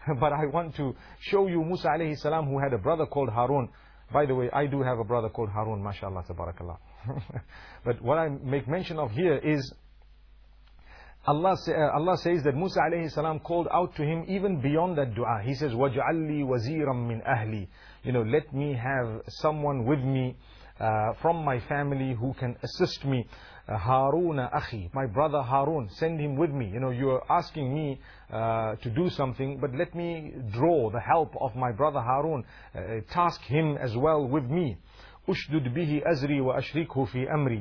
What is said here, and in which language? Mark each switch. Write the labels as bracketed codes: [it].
[en] But I want to show you Musa alayhi salam, who had a brother called Harun. By the way, I do have a brother called Harun, mashallah, tabarakallah. But what I make mention of here is Allah says that Musa alayhi salam called out to him even beyond that dua. He says, [ar] وَجْعَلِّي وَزِيرًا مِّنْ أَهْلِي. [en] You know, let me have someone with me from my family who can assist me. [ar] Haruna akhi, [en] my brother Harun, send him with me. You know, you are asking me to do something, but let me draw the help of my brother Harun. Task him as well with me. [ar] Ushdud bihi azri wa ashrikhu fi amri.